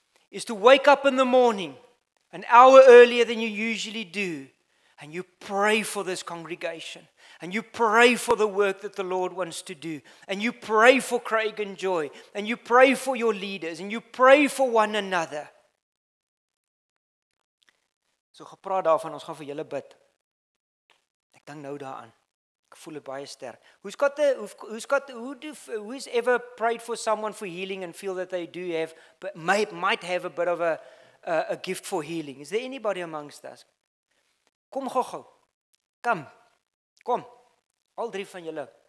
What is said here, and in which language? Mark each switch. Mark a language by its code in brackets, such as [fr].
[en] is to wake up in the morning an hour earlier than you usually do, and you pray for this congregation, and you pray for the work that the Lord wants to do, and you pray for Craig and Joy, and you pray for your leaders, and you pray for one another. [af] So gepraat daarvan, ons gaan vir julle bid. Ek dink nou daaraan. Ek voel het baie sterk. [en] Who's ever prayed for someone for healing and feel that they do have, but might have a bit of a gift for healing? Is there anybody amongst us? [af] Kom gou. Kom. Al drie van julle.